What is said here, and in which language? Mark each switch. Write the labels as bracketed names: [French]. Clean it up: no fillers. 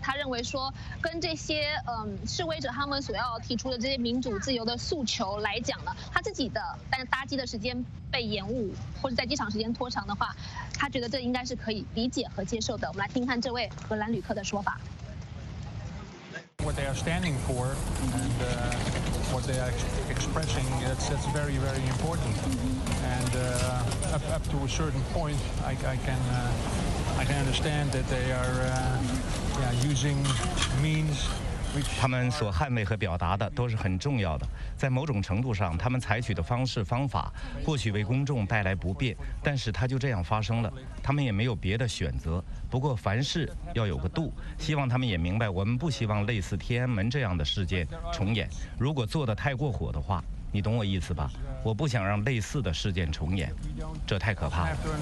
[Chinese] 他认为说跟这些示威者他们所要提出的这些民主自由的诉求来讲呢，他自己的但搭机的时间被延误或者在机场时间拖长的话，他觉得这应该是可以理解和接受的。我们来听看这位荷兰旅客的说法。 [English] What they are standing for and what they are expressing, that's very, very important. And up to a certain point, I can understand that they are using means. [Chinese] 他们所捍卫和表达的都是很重要的，在某种程度上他们采取的方式方法或许为公众带来不便，但是它就这样发生了，他们也没有别的选择。不过凡事要有个度，希望他们也明白我们不希望类似天安门这样的事件重演，如果做得太过火的话，你懂我意思吧，我不想让类似的事件重演，这太可怕了。